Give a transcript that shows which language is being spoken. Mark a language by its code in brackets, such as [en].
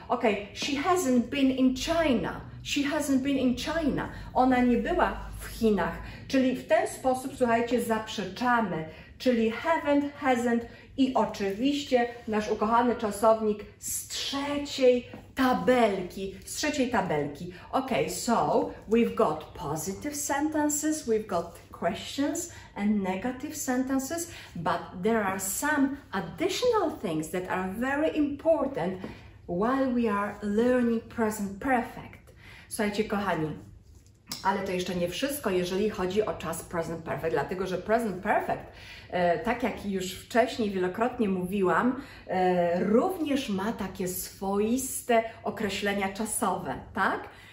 [en] Okay, she hasn't been in China. She hasn't been in China. [pl] Ona nie była w Chinach. Czyli w ten sposób, słuchajcie, zaprzeczamy. Czyli haven't, hasn't i oczywiście nasz ukochany czasownik z trzeciej tabelki. Z trzeciej tabelki. [en] Okay, so we've got positive sentences, we've got questions and negative sentences, but there are some additional things that are very important while we are learning present perfect. [pl] Słuchajcie, kochani, ale to jeszcze nie wszystko, jeżeli chodzi o czas present perfect, dlatego że present perfect, tak jak już wcześniej wielokrotnie mówiłam, również ma takie swoiste określenia czasowe, tak?